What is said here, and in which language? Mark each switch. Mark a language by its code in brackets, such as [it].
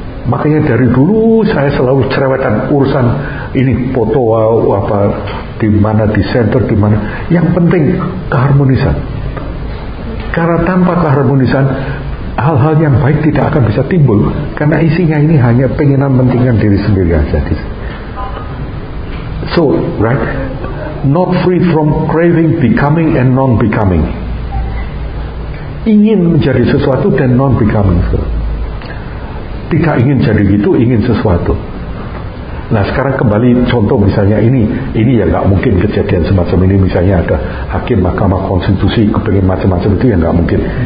[id] Makanya dari dulu saya selalu cerewetan urusan ini, foto apa, di mana, di center, di mana. Yang penting keharmonisan. Karena tanpa keharmonisan, hal-hal yang baik tidak akan bisa timbul. Karena isinya ini hanya penginginan mementingkan diri sendiri saja. [en] So, right? Not free from craving, becoming and non-becoming. [id] Ingin menjadi sesuatu dan non-becoming. Tidak ingin jadi gitu, ingin sesuatu. Nah sekarang kembali contoh misalnya ini ya gak mungkin kejadian semacam ini. Misalnya ada hakim Mahkamah Konstitusi kepingin macam-macam itu, ya gak mungkin.